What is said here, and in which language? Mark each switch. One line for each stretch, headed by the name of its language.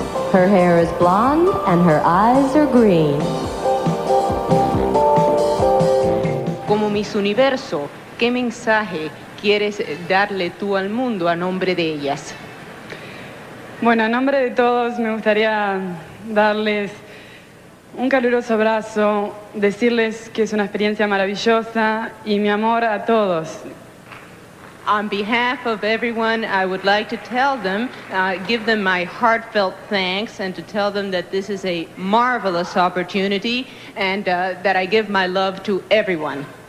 English: Her hair is blonde and her eyes are green.
Spanish: Como Miss Universo, ¿qué mensaje quieres darle tú al mundo a nombre de ellas? Bueno, a nombre de todos me gustaría darles un caluroso abrazo, decirles que es una experiencia maravillosa y mi amor a todos.
English: On behalf of everyone, I would like to tell them, give them my heartfelt thanks and to tell them that this is a marvelous opportunity and that I give my love to everyone.